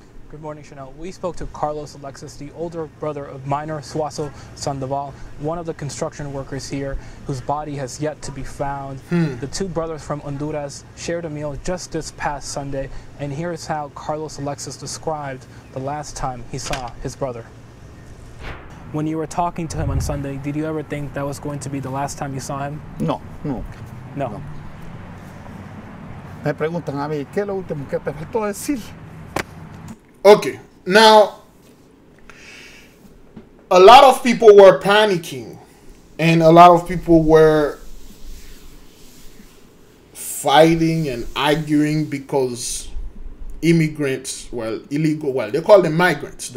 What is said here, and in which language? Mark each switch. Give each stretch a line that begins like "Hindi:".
English: Good morning, Chanel. We spoke to Carlos Alexis, the older brother of Minor Suazo Sandoval, one of the construction workers here whose body has yet to be found. The two brothers from Honduras shared a meal just this past Sunday, and here is how Carlos Alexis described the last time he saw his brother. When you were talking to him on Sunday, did you ever think that was going to be the last time you saw him? No.
Spanish: Me preguntan a mí, ¿qué es lo último que te faltó decir?
English: Okay, now, a lot of people were panicking, and a lot of people were fighting and arguing because immigrants, well, illegal, well, they call them migrants.